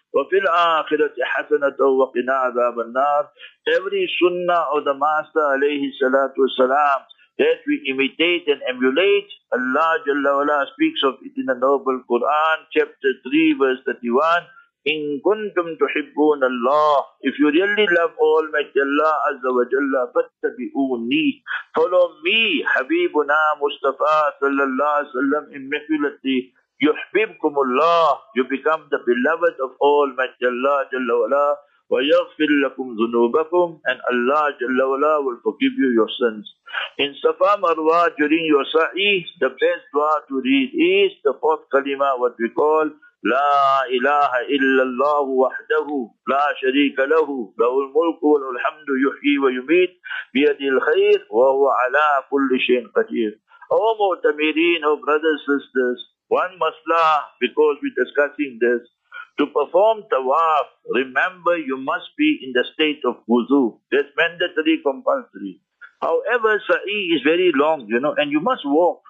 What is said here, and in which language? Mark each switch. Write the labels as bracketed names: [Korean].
[Arabic] وفي الآخرة حسنة وقنا عذاب النار. [English] Every sunnah of the Master alayhi salatu wasalam that we imitate and emulate, Allah Jalla Wala speaks of it in the noble Quran, chapter 3, verse 31. [Arabic] In kuntum tuhibbun Allah, [English] if you really love Almighty Allah Azza wa Jalla, [Arabic] fattabi'uni, [English] follow me, Habibuna Mustafa sallallahu alaihi wasallam, immaculately, [Arabic] yuhibbukum Allah, [English] you become the beloved of Almighty Allah Jalla Wala, [Arabic] wa yaghfir lakum dhunubakum, [English] and Allah Jalla Wala will forgive you your sins. In Safa Marwa, during your sa'i, the best dua to read is the fourth kalima, what we call, [Arabic] لا إله إلا الله وحده لا شريك له له الملك وله الحمد يحيي ويميت بيد الخير وهو على كل شيء قدير. [English] Oh Mu'tamirin, oh brothers, sisters, one maslah, because we're discussing this, to perform tawaf, remember you must be in the state of wudu. That's mandatory, compulsory. However, sa'i is very long, you know, and you must walk.